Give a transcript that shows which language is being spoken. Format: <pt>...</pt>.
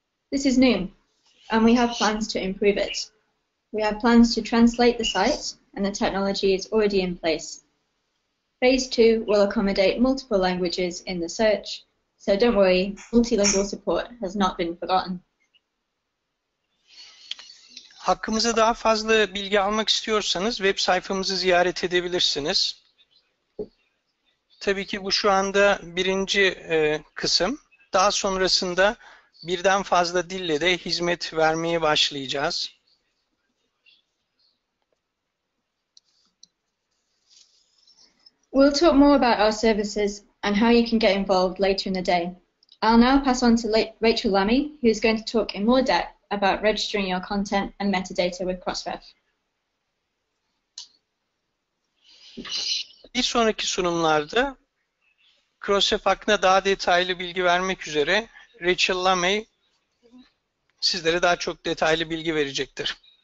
<en>This is new and we have plans to improve it. We have plans to translate the site and the technology is already in place. Phase 2 will accommodate multiple languages in the search, so don't worry, multilingual support has not been forgotten.</en> <tr>Hakkımıza daha fazla bilgi almak istiyorsanız web sayfamızı ziyaret edebilirsiniz. Tabii ki bu şu anda birinci kısım. Daha sonrasında birden fazla dille de hizmet vermeye başlayacağız.</tr> <en>We'll talk more about our services and how you can get involved later in the day. I'll now pass on to Rachel Lamy, who's going to talk in more depth about registering your content and metadata with Crossref.</en> <tr>Bir sonraki sunumlarda Crossref hakkında daha detaylı bilgi vermek üzere Rachel Lamy sizlere daha çok detaylı bilgi verecektir.</tr>